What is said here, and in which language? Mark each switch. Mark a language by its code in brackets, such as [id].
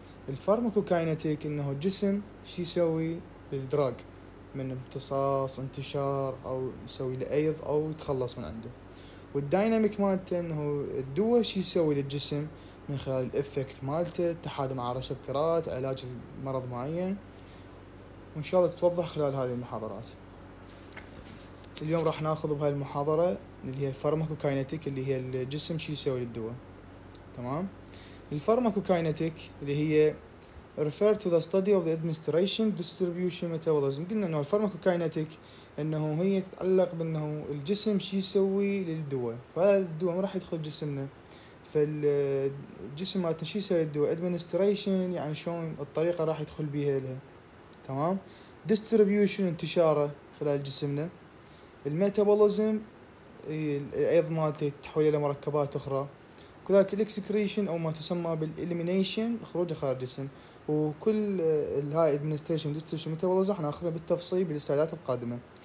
[ar] الفارماكوكاينتيك انه الجسم شي يسوي بالدراج من امتصاص انتشار او يسوي لأيض او يتخلص من عنده، والدايناميك مالته انه الدواء شي يسوي للجسم من خلال الإفكت مالته، التحادي مع ريسبترات، علاج مرض معين، وإن شاء الله توضح خلال هذه المحاضرات. اليوم راح ناخذ بهاي المحاضرة اللي هي الفارماكوكاينتيك، اللي هي الجسم شي يسوي للدواء. تمام، الفارماكوكاينتيك اللي هي [en] refer to the study of the administration distribution metabolism. [ar] قلنا انه الفارماكوكاينتيك انه هي تتعلق بانه الجسم شي يسوي للدواء، فالدواء ما راح يدخل جسمنا، فالجسم مالتنا شي يسوي الدواء، administration يعني شلون الطريقة راح يدخل بيها لها. تمام، distribution انتشاره خلال جسمنا، الميتابوليزم ايضا مالته تحويله لمركبات اخرى، كذلك الاكسكريشن او ما تسمى بالإليمينيشن خروجه خارج الجسم، وكل الهاي administration distribution metabolism راح ناخذها بالتفصيل بالاستعدادات القادمة.